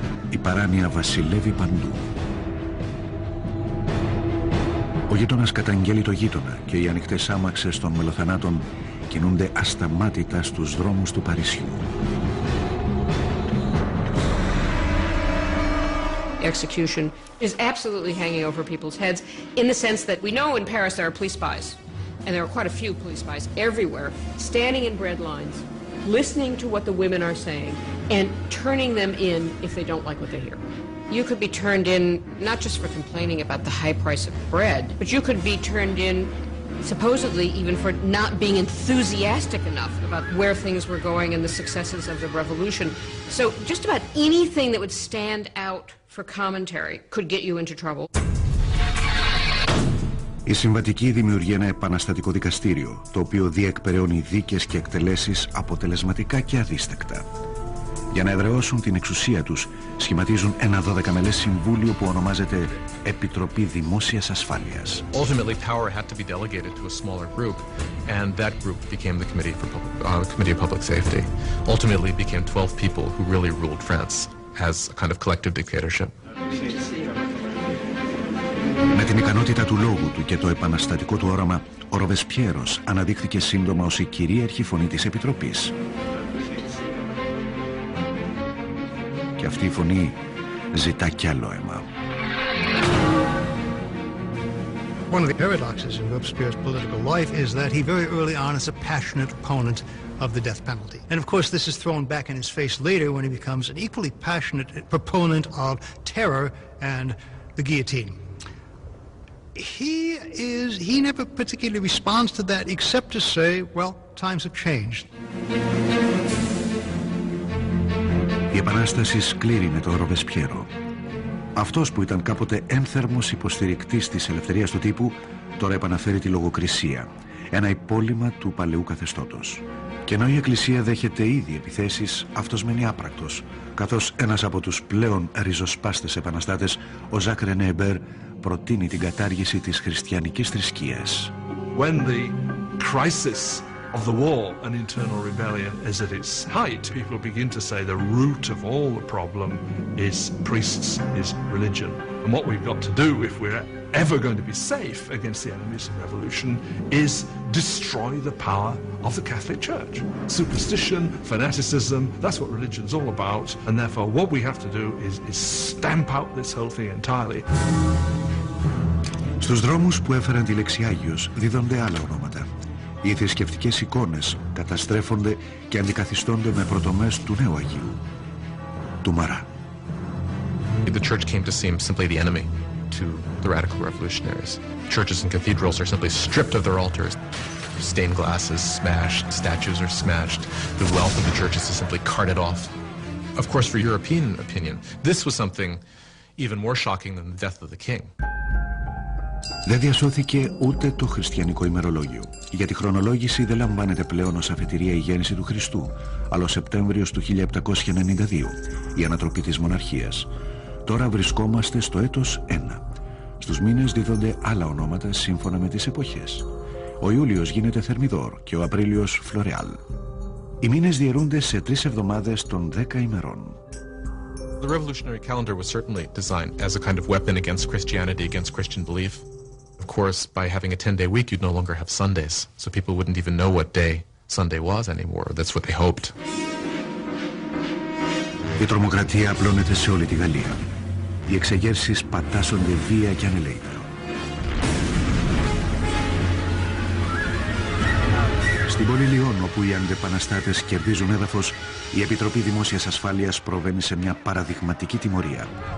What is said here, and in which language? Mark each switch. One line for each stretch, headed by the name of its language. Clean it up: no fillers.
Greek: Η παράνοια βασιλεύει παντού. Ο γείτονας καταγγέλει το γείτονα και οι ανοιχτές άμαξες των μελοθανάτων κινούνται ασταμάτητα στους δρόμους του Παρισιού.
English: Execution is absolutely hanging over people's heads in the sense that we know in Paris there are police spies, and there are quite a few police spies everywhere, standing in bread lines, listening to what the women are saying, and turning them in if they don't like what they hear. You could be turned in not just for complaining about the high price of bread, but you could be turned in supposedly even for not being enthusiastic enough about where things were going and the successes of the revolution. So just about anything that would stand out for commentary could get you into trouble.
Greek: Η Συμβατική δημιουργεί ένα επαναστατικό δικαστήριο, το οποίο διεκπεραιώνει δίκες και εκτελέσεις αποτελεσματικά και αδίστακτα. Για να εδραιώσουν την εξουσία τους, σχηματίζουν ένα 12-μελές συμβούλιο που ονομάζεται Επιτροπή Δημόσιας Ασφάλειας.
English: Ultimately, power had to be delegated to a smaller group, and that group became the Committee for Committee of Public Safety. Ultimately, it became 12 people who really ruled France as a kind of collective dictatorship.
Greek: Με την ικανότητα του λόγου του και το επαναστατικό του όραμα, ο Ροβεσπιέρος αναδείχθηκε σύντομα ως η κυρίαρχη φωνή της Επιτροπής. Και αυτή η φωνή ζητά κι άλλο αίμα.
English: One of the paradoxes in Robespierre's political life is that he very early on is a passionate opponent of the death penalty. And of course, this is thrown back in his face later when he becomes an equally passionate proponent of terror and the guillotine. He never particularly responds to that except to say, well, times have changed.
Greek: Η επανάσταση σκλήρει με τον Ροβεσπιέρο. Αυτός που ήταν κάποτε ένθερμος υποστηρικτής της ελευθερίας του τύπου, τώρα επαναφέρει τη λογοκρισία, ένα υπόλοιμα του παλαιού καθεστώτος. Και ενώ η εκκλησία δέχεται ήδη επιθέσεις, αυτός μένει άπρακτος, καθώς ένας από τους πλέον ριζοσπάστες επαναστάτες, ο Ζακ Ρενέμπερ, προτείνει την κατάργηση της χριστιανικής θρησκείας.
English: When the crisis of the war and internal rebellion is at its height, people begin to say the root of all the problem is priests, is religion. And what we've got to do if we're ever going to be safe against the enemies of revolution is destroy the power of the Catholic Church. Superstition, fanaticism, that's what religion's all about, and therefore what we have to do is stamp out this whole thing entirely.
Greek: Στους δρόμους που έφεραν τη λέξη Άγιος δίδονται άλλα ονόματα. Οι θρησκευτικές εικόνες καταστρέφονται και αντικαθιστώνται με προτομές του νέου Αγίου, του Μαρά.
English: The church came to seem simply the enemy to the radical revolutionaries. Churches and cathedrals are simply stripped of their altars. Stained glass is smashed, statues are smashed, the wealth of the churches is simply carted off. Of course, for European opinion, this was something even more shocking than the death of the king.
Greek: Δεν διασώθηκε ούτε το χριστιανικό ημερολόγιο, γιατί η χρονολόγηση δεν λαμβάνεται πλέον ως αφετηρία η γέννηση του Χριστού, αλλά ο Σεπτέμβριος του 1792, η ανατροπή της μοναρχίας. Τώρα βρισκόμαστε στο έτος 1. Στους μήνες δίδονται άλλα ονόματα σύμφωνα με τις εποχές. Ο Ιούλιος γίνεται Θερμιδόρ και ο Απρίλιος Φλωρεάλ. Οι μήνες διαιρούνται σε 3 εβδομάδες των 10 ημερών.
English: The revolutionary calendar was certainly designed as a kind of weapon against Christianity, against Christian belief. Of course, by having a 10-day week, you'd no longer have Sundays, so people wouldn't even know what day Sunday was anymore. That's what they hoped.
Greek: Η τρομοκρατία απλώνεται σε όλη τη Γαλλία. Οι εξεγέρσεις πατάσσονται βία και ανελαίητα. Στην πόλη Λιόν, όπου οι αντεπαναστάτες κερδίζουν έδαφος, η Επιτροπή Δημόσιας Ασφάλειας προβαίνει σε μια παραδειγματική τιμωρία.